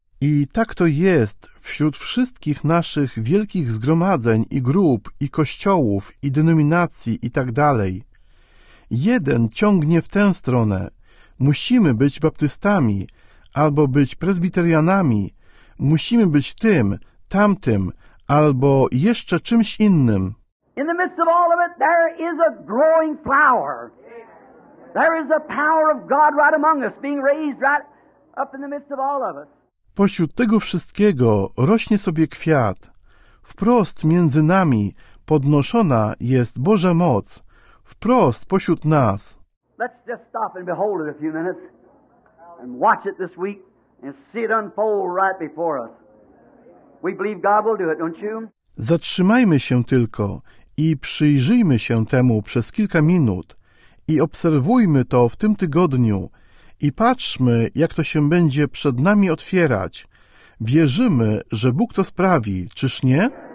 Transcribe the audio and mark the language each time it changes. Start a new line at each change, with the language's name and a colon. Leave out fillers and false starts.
Polish: I tak to jest wśród wszystkich naszych wielkich zgromadzeń i grup, i kościołów, i denominacji, i tak dalej. Jeden ciągnie w tę stronę. Musimy być baptystami, albo być prezbiterianami, musimy być tym, tamtym, albo jeszcze czymś innym.
English: In the midst of all of it, there is a growing flower. There is a power of God right among us, being raised right up in the midst of all of us.
Polish: Pośród tego wszystkiego rośnie sobie kwiat. Wprost między nami podnoszona jest Boża moc. Wprost pośród nas.
English: Let's just stop and behold it a few minutes and watch it this week and see it unfold right before us. We believe God will do it, don't you?
Polish: Zatrzymajmy się tylko i przyjrzyjmy się temu przez kilka minut i obserwujmy to w tym tygodniu. I patrzmy, jak to się będzie przed nami otwierać. Wierzymy, że Bóg to sprawi, czyż nie?